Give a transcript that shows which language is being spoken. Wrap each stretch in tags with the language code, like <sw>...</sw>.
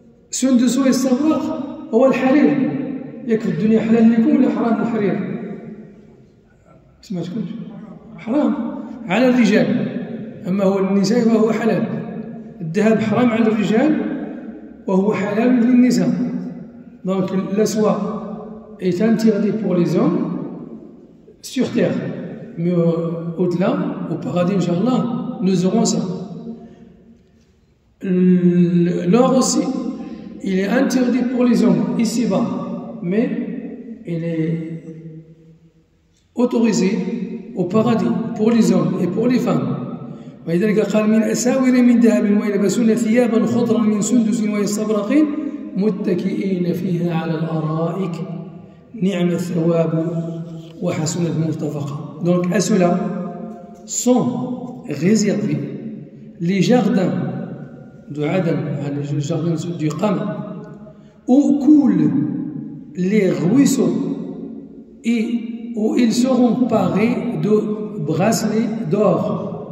<ar>سندس واستبرق هو الحرير، ياك في الدنيا حلال لكم ولا حرام الحرير؟ سمعتكمش؟ حرام على الرجال، اما هو النساء فهو حلال. الذهب حرام على الرجال وهو حلال للنساء.</ar> <fr>Donc l'asoie est interdit pour les hommes sur terre, mais au-delà, au paradis, inshallah, nous aurons ça. L'or aussi, il est interdit pour les hommes ici-bas, mais il est autorisé au paradis pour les hommes et pour les femmes.</fr> <ar>ولذلك قال من أساور من ذهب ويلبسون ثيابا خضرا من سندس واستبرق متكئين فيها على الأرائك نعم الثواب وحسنة مرتفقة.</ar> <fr>Donc à cela sont réservés les jardins de Adam, les jardins du Qam, où coulent les ruisseaux et où ils seront parés de bracelets d'or.</fr>